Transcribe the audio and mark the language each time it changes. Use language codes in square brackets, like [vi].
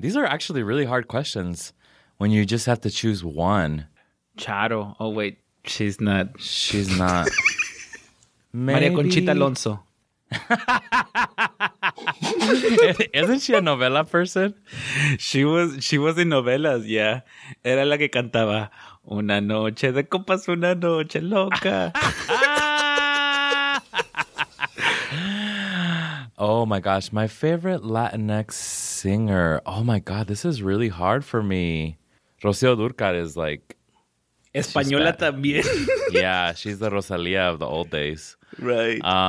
[en] These are actually really hard questions when you just have to choose one. Charo. Oh, wait. She's not. She's not. Maybe... Maria Conchita Alonso. Isn't she a novela person? She was in novelas, yeah. [es] Era la que cantaba una noche de copas, una noche loca. [en] Oh my gosh, my favorite Latinx singer. Oh my God, this is really hard for me. Rocío Dúrcal is like [es] española también. [en] Yeah, she's the Rosalía of the old days. Right.